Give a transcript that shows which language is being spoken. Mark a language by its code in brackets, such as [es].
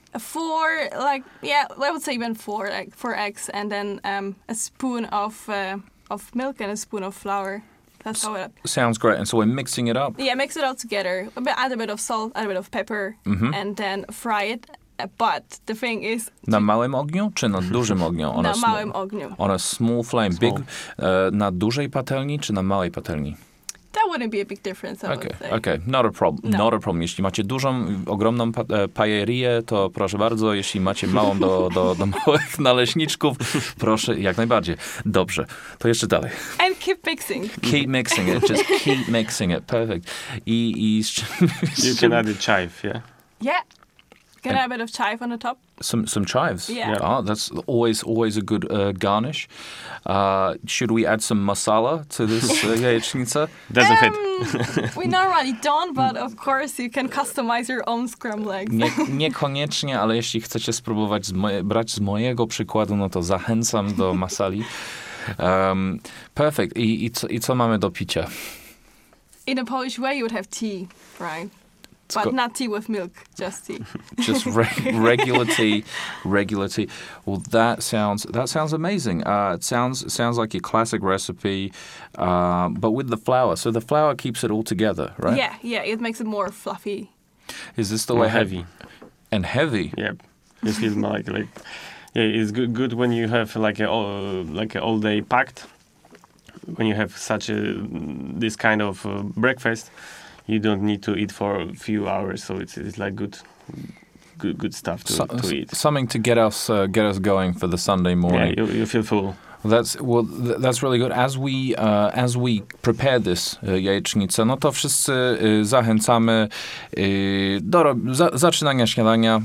[en] Four, I would say even four eggs, and then a spoon of milk and a spoon of flour. Sounds great. And so we're mixing it up? Yeah, mix it all together. Add a bit of salt, add a bit of pepper, and then fry it. But the thing is... [pl] Na małym ogniu czy na dużym ogniu? Na małym ogniu. [en] On a small flame. Small. Big. [pl] Na dużej patelni czy na małej patelni? [en] That wouldn't be a big difference, Okay, not a problem. No. Not a problem. [pl] Jeśli macie dużą, ogromną pajerię, to proszę bardzo. Jeśli macie małą do małych naleśniczków, proszę jak najbardziej. Dobrze. To jeszcze dalej. [en] And keep mixing. Keep mixing it. Just keep mixing it. Perfect. You can add a chive, yeah? Yeah. Can I have a bit of chive on the top? Some chives? Yeah. Oh, that's always a good garnish. Should we add some masala to this jajecznica? Doesn't fit. We normally don't, but of course you can customize your own scrambled eggs. [pl] Niekoniecznie, ale jeśli chcecie spróbować brać z mojego przykładu, no to zachęcam do masali. [en] Perfect. [pl] I co mamy do picia? [en] In a Polish way, you would have tea, right? But not tea with milk, just tea. Just regular tea. Well, that sounds amazing. It sounds like your classic recipe, but with the flour. So the flour keeps it all together, right? Yeah. It makes it more fluffy. Is this the way? Heavy. And heavy. Yep. This is it's good when you have like an all day packed. When you have this kind of breakfast. You don't need to eat for a few hours, so it's like good stuff to eat. Something to get us going for the Sunday morning. Yeah, you feel full. That's really good. As we prepare this [pl] jajecznicę, no to wszyscy zachęcamy do zaczynania śniadania.